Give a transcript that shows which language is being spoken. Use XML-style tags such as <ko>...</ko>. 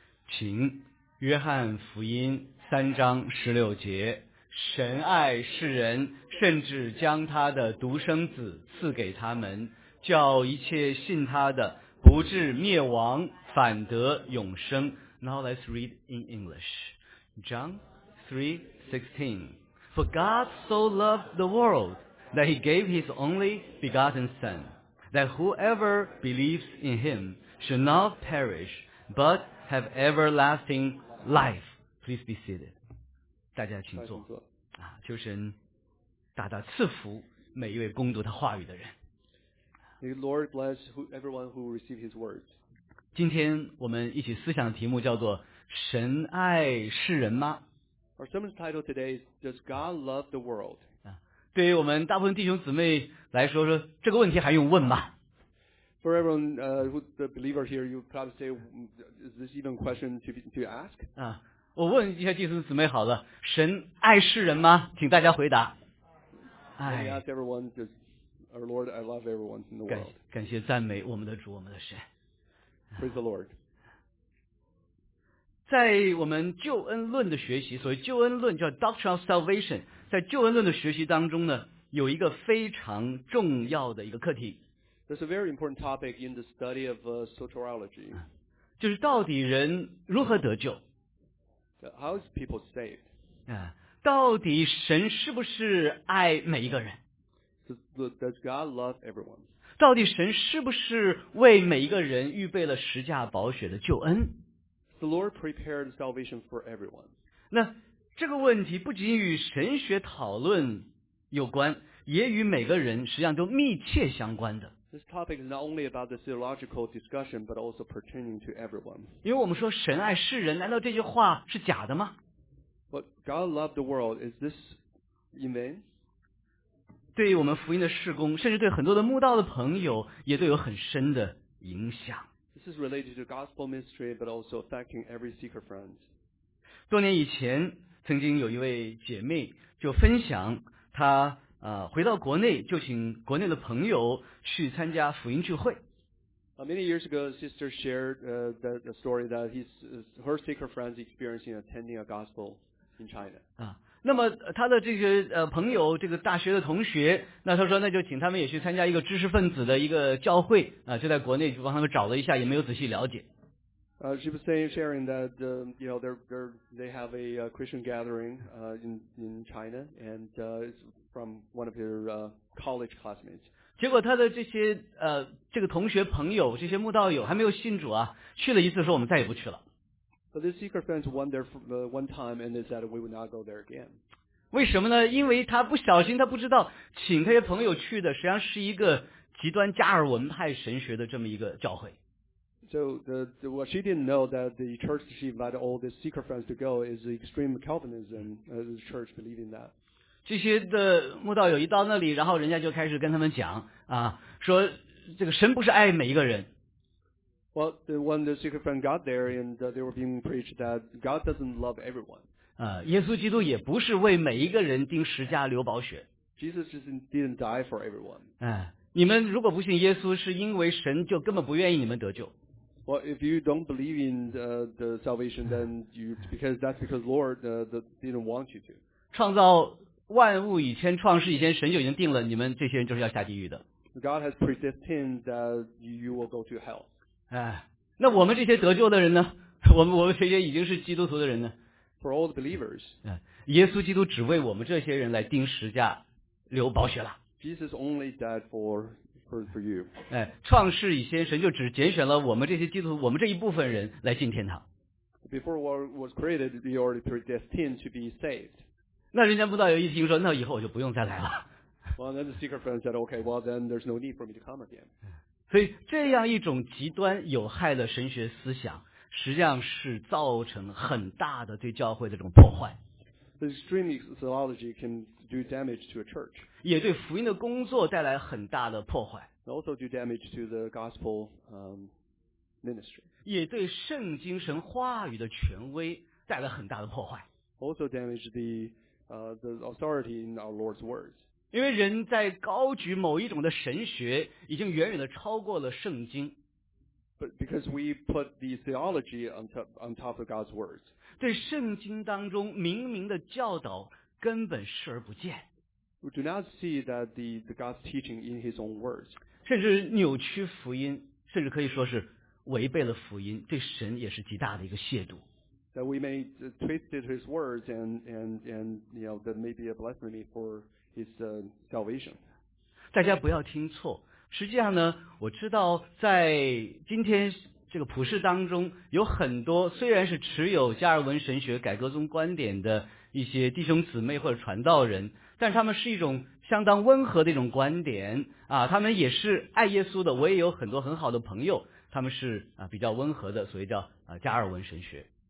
<zh>请约翰福音三章十六节：神爱世人，甚至将他的独生子赐给他们，叫一切信他的不至灭亡，反得永生。</zh> <en>Now let's read in English. John 3:16. For God so loved the world that he gave his only begotten son, that whoever believes in him should not perish, but have everlasting life. Please be seated.</en> <zh>大家请坐。啊，求神大大赐福每一位攻读他话语的人。</zh> <en>May the Lord bless everyone who receives his word.</en> <zh>今天我们一起思想的题目叫做神爱世人吗？</zh> <en>Our sermon's title today is Does God love the world?</en> <zh>对于我们大部分弟兄姊妹来说，说这个问题还用问吗？</zh> <en>For everyone, who's the believer here, you probably say, is this even a question to ask?</en> <zh>我问一下弟兄姊妹好了，神爱世人吗？请大家回答。</zh> <en>I ask everyone, does our Lord, I love everyone in the world.</en> <zh>感谢赞美我们的主，我们的神。</zh> <en>Praise the Lord.</en> <zh>在我们救恩论的学习，所谓救恩论叫 Doctrine of Salvation， 在救恩论的学习当中呢，有一个非常重要的一个课题。</zh> <en>There's a very important topic in the study of soteriology.</en> <zh>就是到底人如何得救？</zh> <en>How is people saved?</en> <zh>到底神是不是爱每一个人？</zh> <en>Does God love everyone?</en> <zh>到底神是不是为每一个人预备了十架宝血的救恩？</zh> <en>The Lord prepared salvation for everyone.</en> <zh>那这个问题不仅与神学讨论有关，也与每个人实际上都密切相关的。</zh> <en>This topic is not only about the theological discussion, but also pertaining to everyone.</en> <zh>因为我们说神爱世人，难道这句话是假的吗？</zh> <en>But God loved the world, is this in vain?</en> <zh>对于我们福音的事工，甚至对很多的慕道的朋友，也都有很深的影响。</zh> <en>This is related to gospel ministry, but also affecting every seeker friend.</en> <zh>多年以前，曾经有一位姐妹就分享她回到国内就请国内的朋友去参加福音聚会。</zh> <en>Many years ago, sister shared the story that her seeker friends experiencing attending a gospel in China.</en> <zh>那么她的这些朋友，这个大学的同学，那她说那就请他们也去参加一个知识分子的一个教会啊，就在国内就帮他们找了一下，也没有仔细了解。</zh> <en>She was sharing that you know they have a Christian gathering in China and it's from one of their college classmates.</en> <zh>结果她的这些这个同学朋友，这些慕道友还没有信主啊，去了一次说我们再也不去了。</zh> <en>But this seeker friend went there one time and they said we would not go there again.</en> <zh>为什么呢？因为他不小心，他不知道请这些朋友去的实际上是一个极端加尔文派神学的这么一个教会。</zh> <en>So what she didn't know that the church she invited all the seeker friends to go is extreme Calvinism, the church believing that.</en> <zh>这些的慕道友一到那里，然后人家就开始跟他们讲啊，说这个神不是爱每一个人。</zh> <en>Well, when the secret friend got there and they were being preached that God doesn't love everyone.</en> <zh>耶稣基督也不是为每一个人钉十架流宝血。</zh> <en>Jesus didn't die for everyone.</en> <zh>你们如果不信耶稣，是因为神就根本不愿意你们得救。</zh> <en>Well, if you don't believe in the salvation, then because Lord didn't want you to.</en> <zh>创造万物以前，创世以前，神就已经定了你们这些人就是要下地狱的。</zh> <en>God has predestined that you will go to hell.</en> <zh>那我们这些得救的人呢？我们这些已经是基督徒的人呢</zh> <en>？For all the believers，</en> <zh>耶稣基督只为我们这些人来钉十字架，流宝血了。</zh> <en>Jesus only died for you。</en> <zh>创世以前，神就只拣选了我们这些基督徒，我们这一部分人来进天堂。</zh> <en>Before world was created, you already predestined to be saved。</en> <zh>那人家慕道友一听说，那以后我就不用再来了。</zh> <en>Well, then the seeker friend said, "Okay, well then there's no need for me to come again."</en> <zh>所以这样一种极端有害的神学思想实际上是造成很大的对教会的这种破坏。</zh> <en>The extreme theology can do damage to a church.</en> <zh>也对福音的工作带来很大的破坏。</zh> <en>Also do damage to the gospel ministry.</en> <zh>也对圣经神话语的权威带来很大的破坏。</zh> <en>also damage the authority in our Lord's words.</en> <zh>因为人在高举某一种的神学，已经远远的超过了圣经。</zh> <en>But because we put the theology on top of God's words.</en> <zh>对圣经当中明明的教导根本视而不见。</zh> <en>We do not see that the God's teaching in His own words.</en> <zh>甚至扭曲福音，甚至可以说是违背了福音，对神也是极大的一个亵渎。</zh> <en>That we may twist His words and you know, that may be a blasphemy for His salvation.</en> <zh>大家不要听错，实际上呢，我知道在今天这个普世当中，有很多虽然是持有加尔文神学改革宗观点的一些弟兄姊妹或者传道人，但他们是一种相当温和的一种观点啊，他们也是爱耶稣的，我也有很多很好的朋友，他们是啊比较温和的，所以叫啊加尔文神学。</zh>